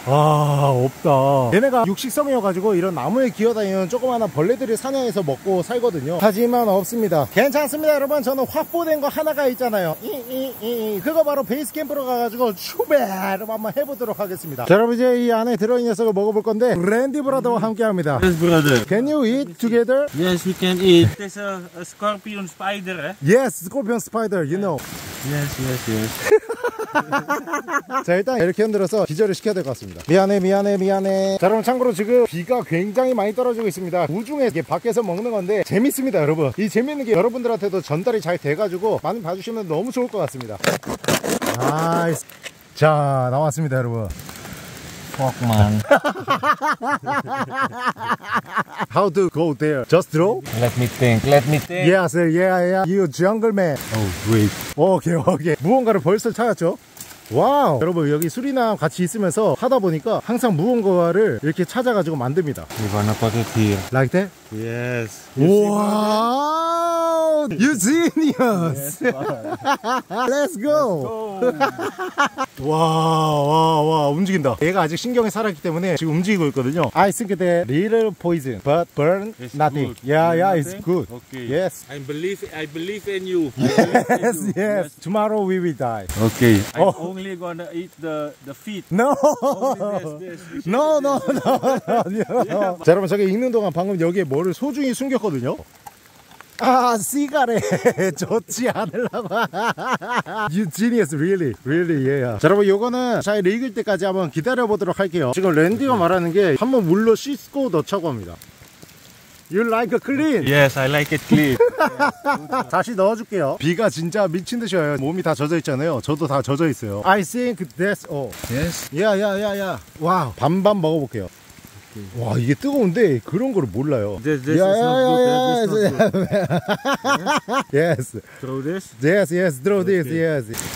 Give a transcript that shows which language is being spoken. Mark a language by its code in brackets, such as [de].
[ko] 아, 없다. 얘네가 육식성이어가지고, 이런 나무에 기어다니는 조그마한 벌레들을 사냥해서 먹고, 살거든요. 하지만 없습니다. 괜찮습니다, 여러분. 저는 확보된 거 하나가 있잖아요. 그거 바로 베이스 캠프로 가가지고 추베로 한번 해보도록 하겠습니다. 자, 여러분 이제 이 안에 들어있는 녀석을 먹어볼 건데 랜디 브라더와 함께합니다. [en] Yes, brother. Can you eat together? Yes, we can eat. There's a scorpion spider. Yes, scorpion spider. You know. Yes, yes, yes. [ko] 자, 일단 이렇게 흔들어서 기절을 시켜야 될 것 같습니다. 미안해, 미안해, 미안해. 자, 여러분 참고로 지금 비가 굉장히 많이 떨어지고 있습니다. 우중에 이게 밖에서 먹는 건데 재밌습니다, 여러분. 이 재밌는 게 여러분들한테도 전달이 잘 돼가지고 많이 봐주시면 너무 좋을 것 같습니다. 나이스. 자, 나왔습니다, 여러분. [en] Fuck, man. How to go there? Just throw? Let me think. Let me think. Yeah, sir. Yeah, yeah. You jungle man. Oh, wait. [ko] Okay, okay. 무언가를 벌써 찾았죠? 와우. 여러분 여기 수리남 같이 있으면서 하다 보니까 항상 무언가를 이렇게 찾아가지고 만듭니다. [en] You wanna put it here? Like that? Yes. 우와. You genius. Yes, Let's go. Let's go. [ko] 와와와 움직인다. 얘가 아직 신경이 살았기 때문에 지금 움직이고 있거든요. [en] I think that little poison, but burn it's nothing. Good. Yeah, yeah, it's good. Okay. Yes. I believe in you. Yes, yes, yes. Tomorrow we will die. Okay. I'm oh. only gonna eat the feet. No. No, no, no, no. yeah. [ko] 자, 여러분 저게 읽는 동안 방금 여기에 뭐를 소중히 숨겼거든요. 아, 시가렛 좋지 않으려고. [en] You genius, really. Really, yeah. [ko] 자, 여러분, 요거는 잘 익을 때까지 한번 기다려보도록 할게요. 지금 랜디가 말하는 게 한번 물로 씻고 넣자고 합니다. [en] You like it clean? Yes, I like it clean. [ko] 다시 넣어줄게요. 비가 진짜 미친 듯이 와요. 몸이 다 젖어있잖아요. 저도 다 젖어있어요. [en] I think that's all. Yes? [ko] Yeah, yeah, yeah, yeah. 와, 반반 먹어볼게요. 와, 이게 뜨거운데 그런 걸 몰라요. [en] This, this yeah, is not good. Yeah, this is not good. Yes. Throw this? Yes, yes, throw okay. this, yes.